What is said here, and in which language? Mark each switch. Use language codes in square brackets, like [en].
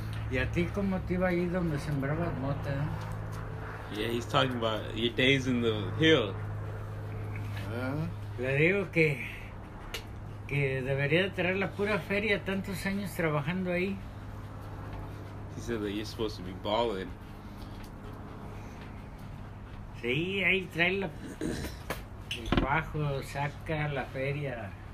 [es] ¿Y a ti cómo te iba ahí donde sembrabas mota? [en] Yeah, he's talking about your days in the hill. [es] Le digo que debería traer la pura feria tantos años trabajando ahí. [en] He said that you're supposed to be balling. [es] Sí, ahí trae la, el cuajo, saca la feria.